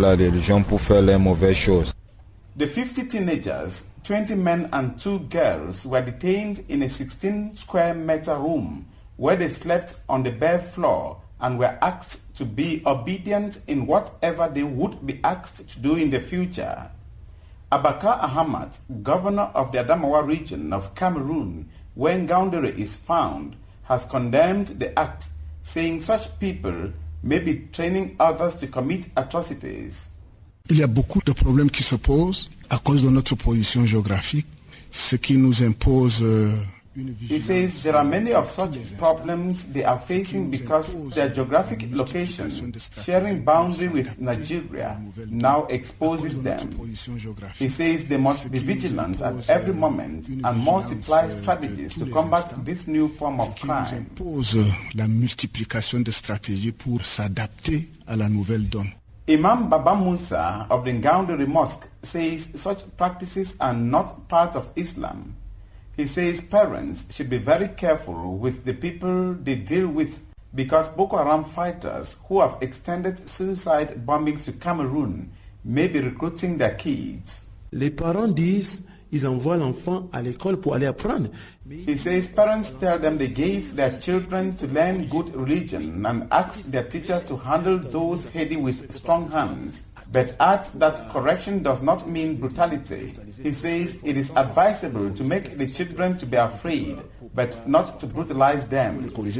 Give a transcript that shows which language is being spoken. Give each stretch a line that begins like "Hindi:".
English: The 50 teenagers, 20 men and 2 girls were detained in a 16 square meter room where they slept on the bare floor and were asked to be obedient in whatever they would be asked to do in the future. Abakar Ahmad, governor of the Adamawa region of Cameroon, where Ngaoundere is found, has condemned the act, saying such people may be training others to commit atrocities.
French: Il y a beaucoup de problèmes qui se posent à cause de notre position géographique, ce qui nous impose.
English: He says there are many of such problems they are facing because their geographic location, sharing boundary with Nigeria, now exposes them. He says they must be vigilant at every moment and multiply strategies to combat this new form of crime.
French: Impose la multiplication de stratégies pour s'adapter à la nouvelle donne.
English: Imam Baba Musa of the Ngaoundere Mosque says such practices are not part of Islam. He says parents should be very careful with the people they deal with because Boko Haram fighters who have extended suicide bombings to Cameroon may be recruiting their kids.
French: Les parents disent ils envoient l'enfant à l'école pour aller apprendre.
English: He says parents tell them they gave their children to learn good religion and ask their teachers to handle those heading with strong hands. But adds that correction does not mean brutality. He says it is advisable to make the children to be afraid, but not to brutalize them.